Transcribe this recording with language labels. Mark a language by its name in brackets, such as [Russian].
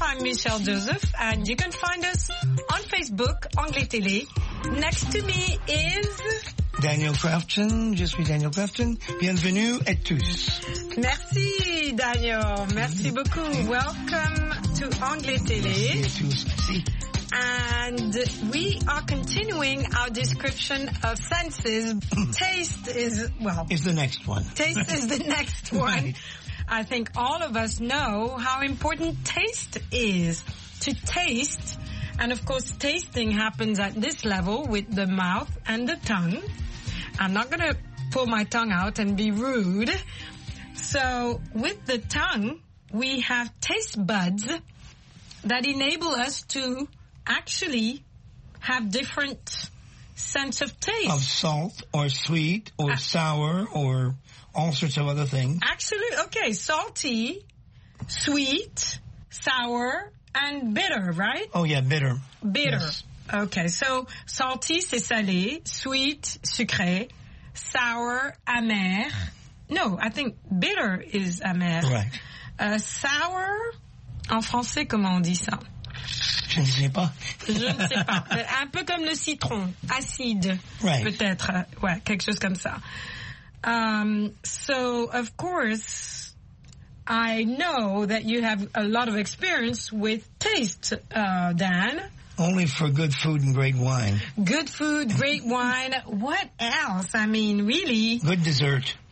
[English] I'm Michelle Joseph. And you can find us on Facebook, Anglais Télé. Next to me is... [French] Daniel Crafton. Je suis Daniel Crafton. Bienvenue à tous. Merci, Daniel. Merci beaucoup. [English] Welcome to Anglais Télé. [French] Merci à tous. Merci. [English] And we are continuing our description of senses. Taste is, well... is the next one. Taste is the next one. I think all of us know how important taste is. To taste, and of course tasting happens at this level with the mouth and the tongue. I'm not going to pull my tongue out and be rude. So with the tongue, we have taste buds that enable us to... actually have different sense of taste. Of salt or sweet or sour or all sorts of other things. Absolutely. Okay, salty, sweet, sour, and bitter, right? Oh, yeah, bitter. Bitter. Yes. Okay, so salty, [French] c'est salé. [English] Sweet, sucré. Sour, amer. No, I think bitter is amer. Right. [French] Sour, en français, comment on dit ça? Je ne sais pas. Je ne sais pas. Un peu comme le citron, acide, [English] right. [French] Peut-être. Ouais, quelque chose comme ça. [English] So, of course, I know that you have a lot of experience with taste, Dan. Only for good food and great wine. Good food, great wine. What else? I mean, really? Good dessert.